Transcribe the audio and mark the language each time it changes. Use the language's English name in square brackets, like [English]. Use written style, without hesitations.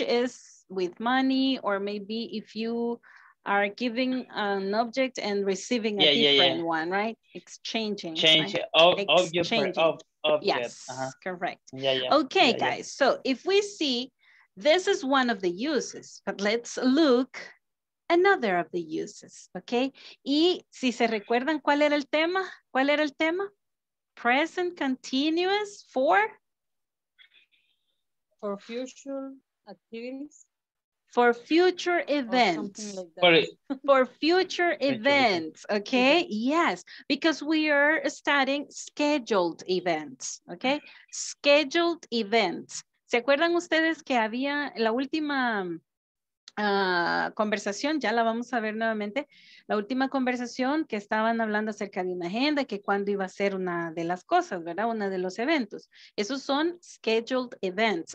[English] is with money, or maybe if you are giving an object and receiving a different one, right? Exchanging. Change object. Yes, correct. Yeah. Okay, guys. So if we see, this is one of the uses, but let's look another of the uses, okay? [Spanish] Y si se recuerdan, ¿cuál era el tema? ¿Cuál era el tema? Present continuous [English] for future activities. For future events, for future events, okay? Yes, because we are studying scheduled events, okay? Scheduled events. [Spanish] ¿Se acuerdan ustedes que había la última conversación? Ya la vamos a ver nuevamente. La última conversación que estaban hablando acerca de una agenda, que cuándo iba a ser una de las cosas, ¿verdad? Una de los eventos. Esos son scheduled events.